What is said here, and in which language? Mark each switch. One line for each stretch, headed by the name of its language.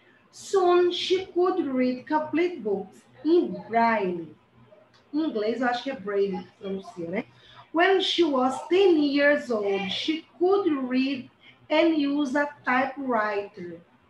English: Soon, she could read complete books in Braille.
Portuguese: Em inglês, eu acho que é Braille que pronuncia, né?
English: When she was 10 years old, she could read and use a typewriter.